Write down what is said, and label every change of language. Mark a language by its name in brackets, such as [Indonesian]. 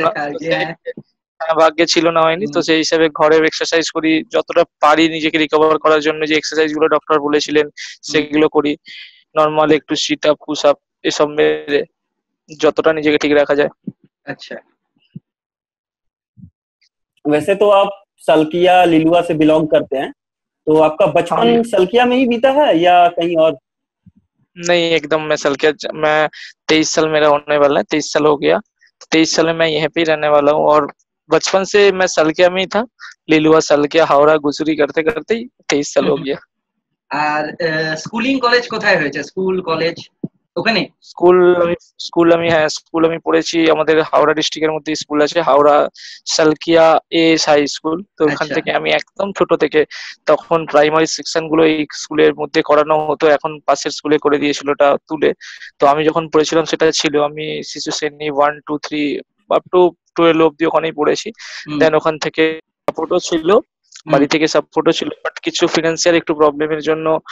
[Bangla] না, ভাগ্যে ছিল না হয়নি। তো সেই হিসাবে ঘরে এক্সারসাইজ করি যতটা পারি, নিজেকে রিকভার করার জন্য যে এক্সারসাইজ গুলো ডক্টর বলেছিলেন সেগুলো করি, নরমাল একটু সিট আপ পুশ আপ এসব মেরে যতটা নিজেকে ঠিক রাখা যায়। আচ্ছা, [Hindi] वैसे तो आप सल्किया लिलुआ से बिलोंग करते हैं, तो आपका बचपन सल्किया में ही बीता है या कहीं और? नहीं एकदम, मैं सल्किया, मैं 23 साल मेरा होने वाला है, 23 साल हो गया, 23 साल में मैं यहीं पे रहने वाला हूँ, और बचपन से मैं सल्किया में ही था, लिलुआ सल्किया हावड़ा गुजरी करते करते 23 साल हो गया। [Bangla] আর স্কুলিং কলেজ কোথায় হয়েছে? স্কুল কলেজ ওখানে? স্কুল স্কুল আমি, হ্যাঁ স্কুল আমি পড়েছি, আমাদের হাওড়া ডিস্ট্রিক্টের মধ্যে স্কুল আছে Howrah Salkia S high school, তো ওখান থেকে আমি একদম ছোট থেকে, তখন প্রাইমারি সেকশন গুলো এই স্কুলের মধ্যে করানো হতো, এখন পাশের স্কুলে করে দিয়েছিল ওটা তুলে, তো আমি যখন পড়েছিলাম সেটা ছিল, আমি শিশু শ্রেণী 1-3 আপ টু 12 অবধি ওখানেই পড়েছি, দেন ওখান থেকে সাপোর্টও ছিল, বাড়ি থেকে সাপোর্টও ছিল, বাট কিছু ফিনান্সিয়াল একটু প্রবলেমের জন্য